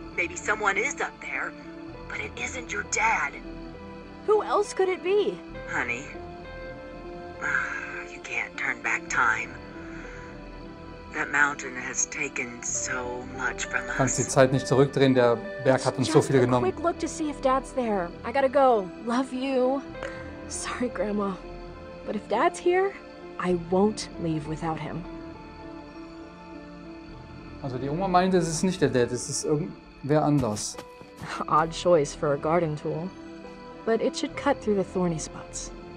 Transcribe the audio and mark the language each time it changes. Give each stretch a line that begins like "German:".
English: Maybe someone is up there, but it isn't your dad. Who else could it be? Honey, you can't turn back time. That mountain has taken so much from us.
German: Kannst die Zeit nicht zurückdrehen, der Berg hat uns so viel genommen.
English: Just a quick look to see if Dad's there. I gotta go. Love you. Sorry, Grandma. But if Dad's here, I won't leave without him.
German: Also die Oma meint, es ist nicht der Dad, es ist irgendwer anders.
English: Odd choice for a garden tool. But it should cut through the thorny spots.